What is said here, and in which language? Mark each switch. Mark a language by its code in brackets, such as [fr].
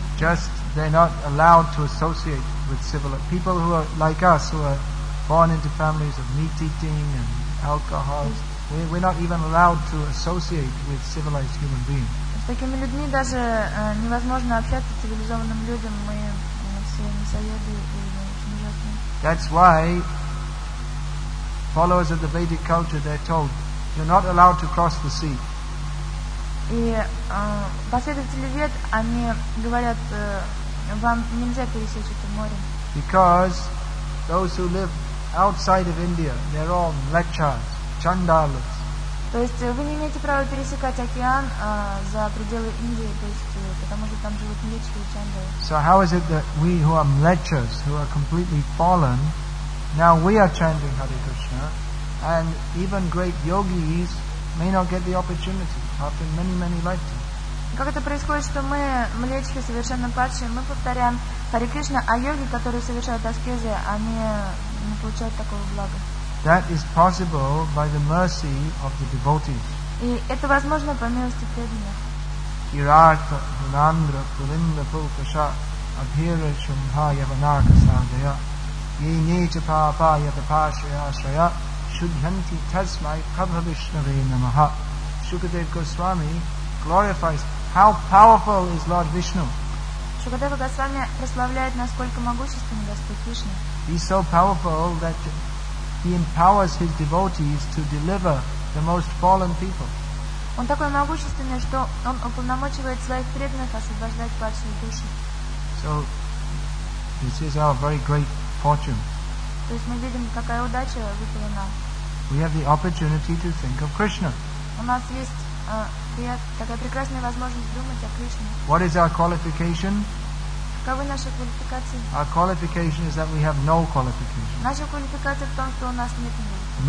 [en] Just they're not allowed to associate with civil people who are like us, who are born into families of meat eating and alcohol. We're not even allowed to associate with civilized human beings. [ru] С такими людьми даже невозможно общаться, цивилизованным людям. Мы все не соеды и очень ужасны. [en] That's why followers of the Vedic culture, they're told, you're not allowed to cross the sea. [ru] И последователи Вед, они говорят, вам нельзя пересечь это море. [en] Because those who live outside of India, they're all lechas, chandalas. [ru] То есть вы не имеете права пересекать океан за пределы Индии, то есть потому что там живут млечки и чандалы. [en] So how is it that we who are mlechas, who are completely fallen, now we are chanting Hare Krishna, and even great yogis may not get the opportunity after many, many lifetimes? [ru] Как это происходит, что мы млечки совершенно падшие, мы повторяем Хари Кришна, а йоги, которые совершают аскезы, они не получают такого блага? [en] That is possible by the mercy of the devotees. [ru] И это возможно по милости преданных. [sa] Кирата, Дунандра, Пулинда, Пулкаша, Абхира, Шумха, Яванага, Садая, Йенича, Папа, Ятапаша, Ашая, Шудханти, Тасмай, Прабхавишнаве, Намаха. [en] Шукадев Госвами glorifies how powerful is Lord Vishnu. [ru] Шукадева Госвами прославляет, насколько могущественный Господь Кришна. [en] He's so powerful that He empowers his devotees to deliver the most fallen people. [ru] Он такой могущественный, что он уполномочивает своих преданных освобождать падшие души. [en] So this is our very great fortune. [ru] То есть мы видим, какая удача выпала нам. [en] We have the opportunity to think of Krishna. [ru] У нас есть такая прекрасная возможность думать о Кришне. [en] What is our qualification? [ru] Каковы наши квалификации? [en] Our qualification is that we have no qualification. [ru] Наша квалификация в том, что у нас нет никаких.